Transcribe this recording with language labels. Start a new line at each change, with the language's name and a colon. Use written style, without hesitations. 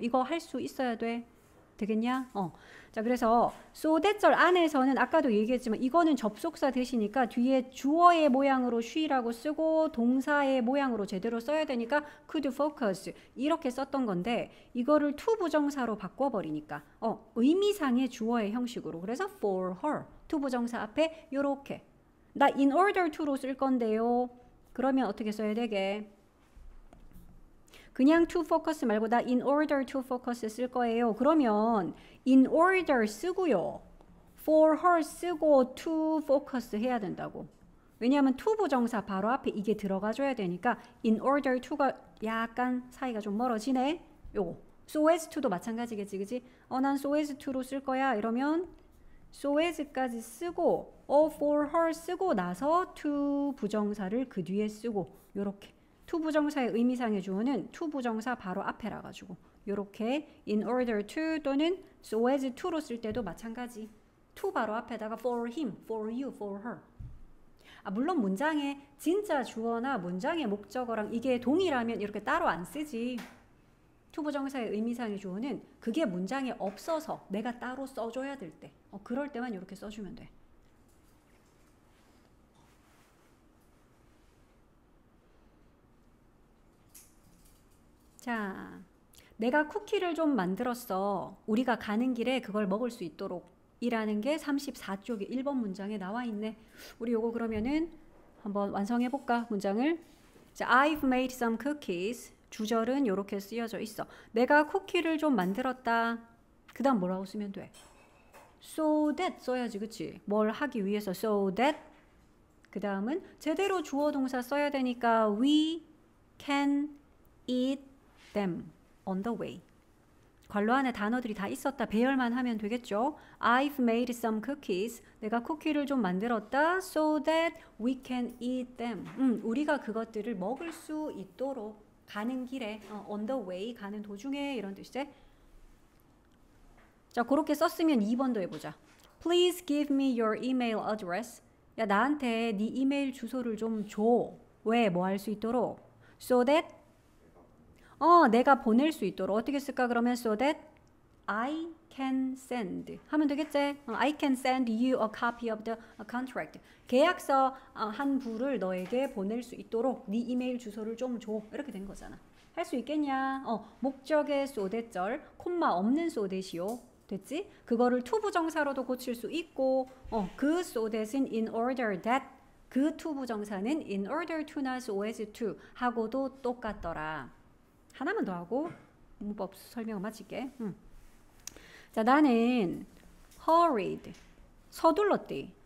Korean: 이거 할수 있어야 돼. 되겠냐? 자, 그래서 so that절 안에서는 아까도 얘기했지만 이거는 접속사 되시니까 뒤에 주어의 모양으로 she라고 쓰고 동사의 모양으로 제대로 써야 되니까 could focus 이렇게 썼던 건데 이거를 to 부정사로 바꿔버리니까 의미상의 주어의 형식으로 그래서 for her to 부정사 앞에 요렇게 나 in order to로 쓸 건데요. 그러면 어떻게 써야 되게? 그냥 to focus 말고 나 in order to focus 쓸 거예요. 그러면 in order 쓰고요. for her 쓰고 to focus 해야 된다고. 왜냐하면 to 부정사 바로 앞에 이게 들어가줘야 되니까 in order to가 약간 사이가 좀 멀어지네. 요거. so as to도 마찬가지겠지, 그지? 난 so as to로 쓸 거야. 이러면 so as까지 쓰고 for her 쓰고 나서 to 부정사를 그 뒤에 쓰고 요렇게. to 부정사의 의미상의 주어는 to 부정사 바로 앞에라 가지고 요렇게 in order to 또는 so as to로 쓸 때도 마찬가지. to 바로 앞에다가 for him, for you, for her. 아, 물론 문장에 진짜 주어나 문장의 목적어랑 이게 동일하면 이렇게 따로 안 쓰지. to 부정사의 의미상의 주어는 그게 문장에 없어서 내가 따로 써줘야 될 때, 그럴 때만 이렇게 써주면 돼. 자, 내가 쿠키를 좀 만들었어. 우리가 가는 길에 그걸 먹을 수 있도록 이라는 게 34쪽에 1번 문장에 나와 있네. 우리 요거 그러면은 한번 완성해 볼까? 문장을. 자,
English: I've made some cookies.
Korean: 주절은 요렇게 쓰여져 있어. 내가 쿠키를 좀 만들었다. 그다음 뭐라고 쓰면 돼? So that 써야지, 그치? 뭘 하기 위해서 so that. 그다음은 제대로 주어 동사 써야 되니까
English: we can eat them on the way.
Korean: 괄호 안에 단어들이 다 있었다. 배열만 하면 되겠죠?
English: I've made some cookies.
Korean: 내가 쿠키를 좀 만들었다.
English: So that we can eat them.
Korean: 우리가 그것들을 먹을 수 있도록 가는 길에,
English: on the way,
Korean: 가는 도중에 이런 뜻이지. 자, 그렇게 썼으면 2번도 해보자.
English: Please give me your email address.
Korean: 야, 나한테 네 이메일 주소를 좀 줘. 왜? 뭐할수 있도록.
English: So that
Korean: 내가 보낼 수 있도록 어떻게 쓸까? 그러면
English: so that I can send
Korean: 하면 되겠지?
English: I can send you a copy of the contract.
Korean: 계약서 한 부를 너에게 보낼 수 있도록 네 이메일 주소를 좀 줘. 이렇게 된 거잖아. 할수 있겠냐? 목적의 so that절, 콤마 없는 so that이요. 됐지? 그거를 to 부정사로도 고칠 수 있고, 그 so that은 in order that, 그 to 부정사는 in order to, not so as to 하고도 똑같더라. 하나만 더 하고 문법 설명을 마칠게. 자, 나는 hurried 서둘렀대.